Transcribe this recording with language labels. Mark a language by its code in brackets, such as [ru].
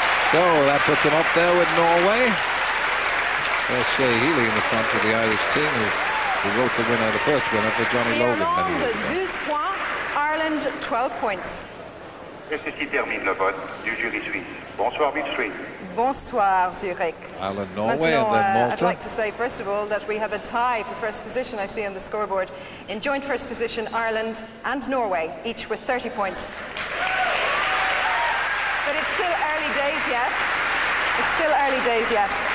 [en] So that puts him up there with Norway. There's Shea Healy in the front for the Irish team. Who wrote the winner, the first winner for Johnny Logan many years ago. 12 points, Ireland 12 points. [fr] Et ceci termine le vote du jury suisse. Bonsoir, Mill Street. Bonsoir, Zurich. [en] Ireland, Norway, and then Malta. I'd like to say, first of all, that we have a tie for first position, I see on the scoreboard. In joint first position, Ireland and Norway, each with 30 points. But it's still early days yet. It's still early days yet.